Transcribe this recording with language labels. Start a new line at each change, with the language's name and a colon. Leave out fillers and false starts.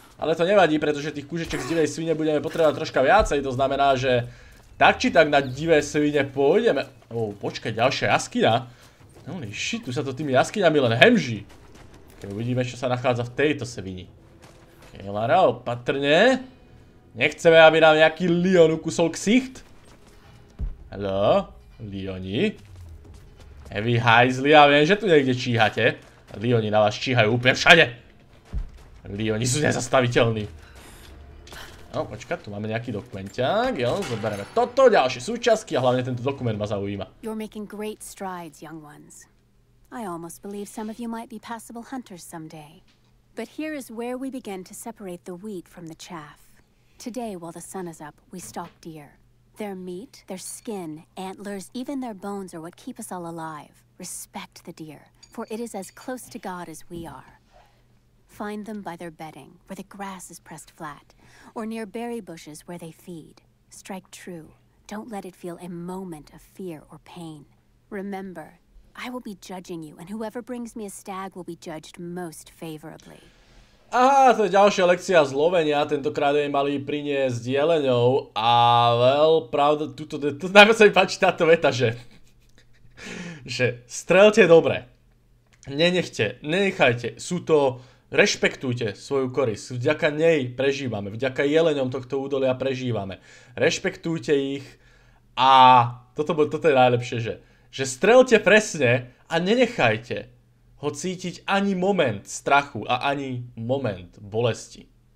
Slovak: Ale to nevadí, pretože tých kúžiček z divej svine budeme potrebovať troška viacej, to znamená, že... Tak či tak na divé svine pôjdeme... Oh, počkaj, ďalšia jaskyňa?
English: Holy shit,
Slovak: tu sa to tými jaskyňami len hemží! Keď uvidíme, čo sa nachádza v tejto svini. Okej, Lara, opatrne. Nechceme, aby nám nejaký Leon ukusol ksicht. Hello, Leoni. Heavy hajzli, ja viem, že tu niekde číhate. Leoni na vás číhajú úplne všade. Leoni sú nezastaviteľní. No, počka, tu máme nejaký dokumenťák. Jo, zoberieme toto, ďalšie súčasky a hlavne tento dokument ma zaujíma.
English: You're making great strides, young ones. I almost believe some of you might be passable hunters someday. But here is where we begin to separate the wheat from the chaff. Today, while the sun is up, we stalk deer. Their meat, their skin, antlers, even their bones are what keep us all alive. Respect the deer, for it is as close to God as we are. Find them by their bedding, where the grass is pressed flat, or near berry bushes where they feed. Strike true. Don't let it feel a moment of fear or pain. Remember, I will be judging you, and whoever brings me a stag will be judged most favorably.
Slovak: Aha, to je ďalšia lekcia z lovenia, tentokrát jej mali priniesť jeleňov a veľ, pravda, tuto, to najmä sa mi páči táto veta, že strelte dobre, nenechte, nenechajte, sú to, rešpektujte svoju korisť, vďaka nej prežívame, vďaka jeleňom tohto údolia prežívame, rešpektujte ich a toto je najlepšie, že strelte presne a nenechajte ho cítiť ani moment strachu a ani moment bolesti.